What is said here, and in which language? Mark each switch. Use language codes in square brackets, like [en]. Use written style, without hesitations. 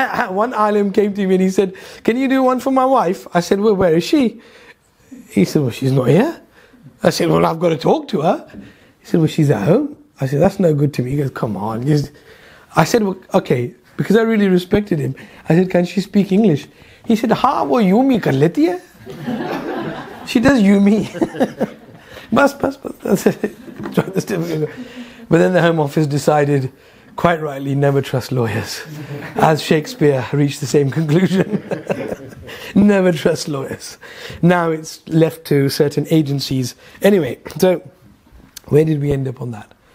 [en] One alim came to me and he said, can you do one for my wife? I said, well, where is she? He said, well, she's not here. I said, well, I've got to talk to her. He said, well, she's at home. I said, that's no good to me. He goes, come on. Just... I said, well, okay, because I really respected him. I said, can she speak English? He said, [hi] हाँ, वो yumi कर लेती है। [en] She does yumi. [hi] Bas. [en] But then the Home Office decided, quite rightly, never trust lawyers. As Shakespeare reached the same conclusion. Never trust lawyers. Now it's left to certain agencies. Anyway, so where did we end up on that?